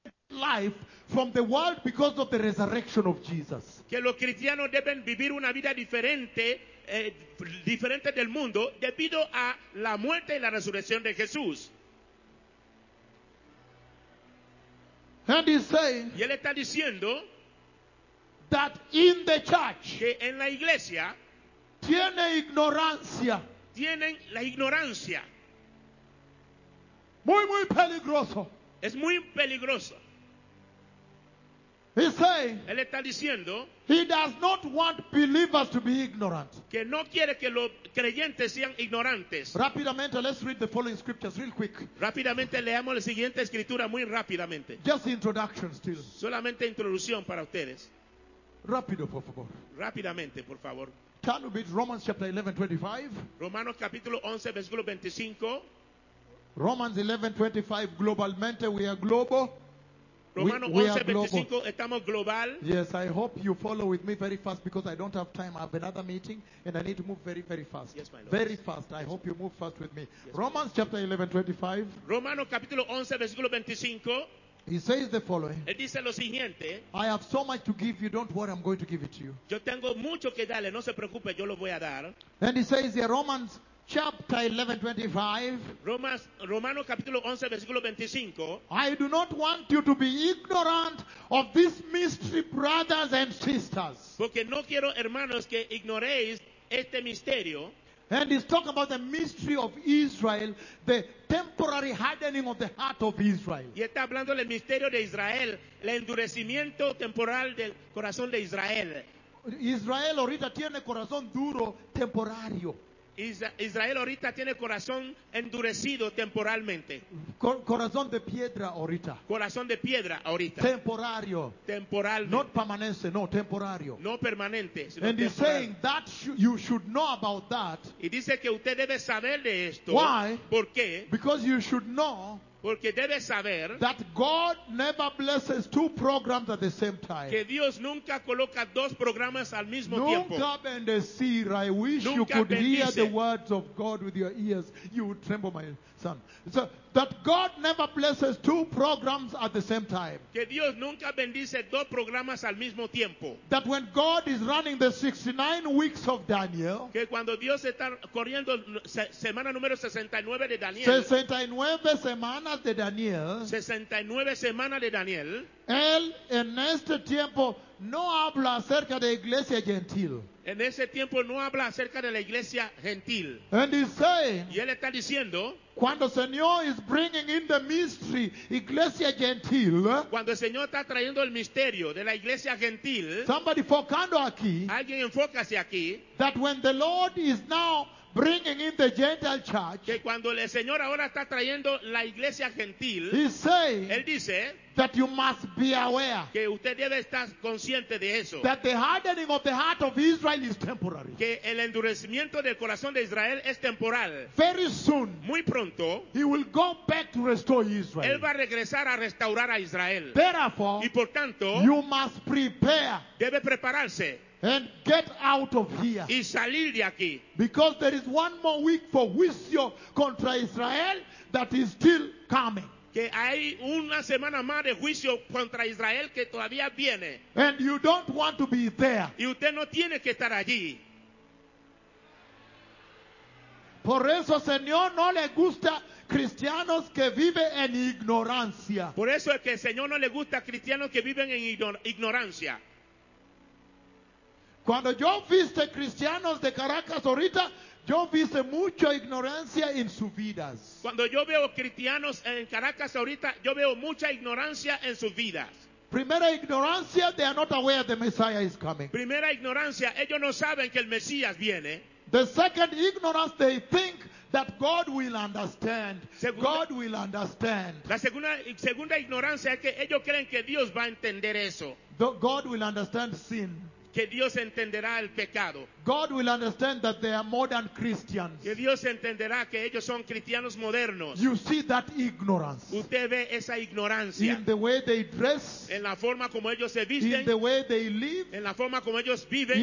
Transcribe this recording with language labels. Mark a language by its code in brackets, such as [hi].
[en] life from the world because of the resurrection of Jesus. [es] Que los cristianos deben vivir una vida diferente, diferente del mundo debido a la muerte y la resurrección de Jesús. [en] And he's saying, [es] y él está diciendo, [en] that in the church, [es] que en la iglesia, tiene ignorancia. Tienen la ignorancia. Muy, muy peligroso. Es muy peligroso. [en] He's saying, [es] él está diciendo, [en] he does not want believers to be ignorant. [es] Que no quiere que los creyentes sean ignorantes. Rápidamente, [en] let's read the following scriptures real quick. [es] Rápidamente, leamos la siguiente escritura muy rápidamente. [en] Just introduction still. [es] Solamente introducción para ustedes. Rápido, por favor. Rápidamente, por favor. [en] Turn with Romans chapter 11, 25. [es] Romanos capítulo 11, versículo 25. [en] Romans 11, 25, [es] globalmente, [en] we are global. [es] Romanos 11:25, estamos global. [en] Yes, I hope you follow with me very fast because I don't have time. I have another meeting and I need to move very, very fast. Yes, my Lord. Very fast. I hope you move fast with me. Yes, Romans chapter 11, 25. [es] Romanos capítulo 11, versículo 25. [en] He says the following. [es] Él dice lo siguiente. [en] I have so much to give you. Don't worry, I'm going to give it to you. [es] Yo tengo mucho que darle. No se preocupe, yo lo voy a dar. [en] And he says here, Romans chapter 11, 25. [es] Romanos capítulo 11, versículo 25. [en] I do not want you to be ignorant of this mystery, brothers and sisters. [es] Porque no quiero, hermanos, que ignoréis este misterio. [en] And he's talking about the mystery of Israel, the temporary hardening of the heart of Israel. [es] Y está hablando del misterio de Israel, el endurecimiento temporal del corazón de Israel. Israel ahorita tiene corazón duro temporario. Israel ahorita tiene corazón endurecido temporalmente. Corazón de piedra ahorita. Corazón de piedra ahorita. Temporario. Temporalmente. [en] Not [es] permanente, no, temporario. No permanente, sino [en] and [es] temporal. [en] He's saying that you should know about that. [es] Y dice que usted debe saber de esto. [en] Why? [es] ¿Por qué? [en] Because you should know. [es] Porque debe saber [en] that God never blesses two programs at the same time. [es] Que Dios nunca coloca dos programas al mismo nunca tiempo. Nunca bendecir. [en] I wish [es] nunca [en] you could [es] bendice. [en] Hear the words of God with your ears. You would tremble, my son. So that God never blesses two programs at the same time. [es] Que Dios nunca bendice dos programas al mismo tiempo. [en] That when God is running the 69 weeks of Daniel. [es] Que cuando Dios está corriendo semana número 69 de Daniel. 69 semanas de Daniel. 69 semanas de Daniel. Él en este tiempo no habla acerca de iglesia gentil. En ese tiempo no habla acerca de la iglesia gentil. [en] And he's saying, [es] y él está diciendo, cuando el Señor [en] is bringing in the mystery, [es] iglesia gentil, cuando el Señor está trayendo el misterio de la iglesia gentil, [en] somebody [es] focando aquí, alguien enfócase aquí, [en] that when the Lord is now bringing in the Gentile church, [es] que cuando el Señor ahora está trayendo la iglesia gentil, [en] he's saying, [es] él dice, [en] that you must be aware. [es] Que usted debe estar consciente de eso. [en] That the hardening of the heart of Israel is temporary. [es] Que el endurecimiento del corazón de Israel es temporal. [en] Very soon. [es] Muy pronto. [en] He will go back to restore Israel. [es] Él va a regresar a restaurar a Israel. [en] Therefore. [es] Y por tanto. [en] You must prepare. [es] Debe prepararse. [en] And get out of here. [es] Y salir de aquí. [en] Because there is one more week for [es] juicio contra [en] Israel that is still coming. [es] Que hay una semana más de juicio contra Israel que todavía viene. [en] And you don't want to be there. [es] Y usted no tiene que estar allí. Por eso, Señor, no le gusta cristianos que viven en ignorancia. Por eso es que el Señor no le gusta cristianos que viven en ignorancia. Cuando yo viste cristianos de Caracas ahorita, yo viste mucha ignorancia en sus vidas. Cuando yo veo cristianos en Caracas ahorita, yo veo mucha ignorancia en sus vidas. Primera ignorancia, [en] they are not aware the Messiah is coming. [es] Primera ignorancia, ellos no saben que el Mesías viene. [en] The second ignorance, they think that God will understand. [es] Segunda, [en] God will understand. [es] La segunda ignorancia es que ellos creen que Dios va a entender eso. [en] God will understand sin. [es] Que Dios entenderá el pecado. [en] God will understand that they are modern Christians. [es] Que Dios entenderá que ellos son cristianos modernos. [en] You see that ignorance. [es] Usted ve esa ignorancia. [en] In the way they dress. [es] En la forma como ellos se visten. [en] In the way they live. [es] En la forma como ellos viven.